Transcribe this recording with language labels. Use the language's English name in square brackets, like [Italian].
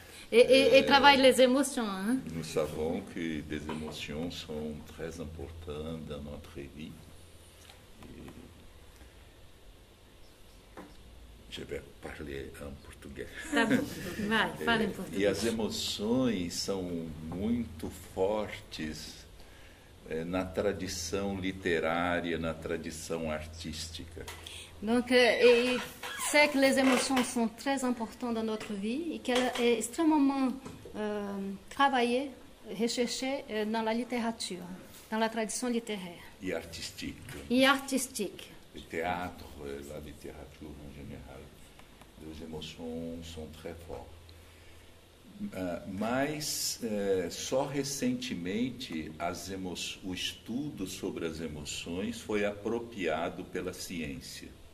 [French] Et travaille les émotions. Hein? Nous savons que des émotions sont très importantes dans notre vie. Et je vais parler en portugais. [Portuguese] Fala em português. E as emoções são muito fortes na tradição literária, na tradição artística. [French] Donc, il sait que les émotions sont très importantes dans notre vie et qu'elles sont extrêmement travaillées, recherchées dans la littérature, dans la tradition littéraire. Et artistique. Et artistique. Le théâtre, la littérature en général, les émotions sont très fortes. Mais, [Portuguese] só recentemente, o estudo sobre as emoções foi apropriado pela ciência.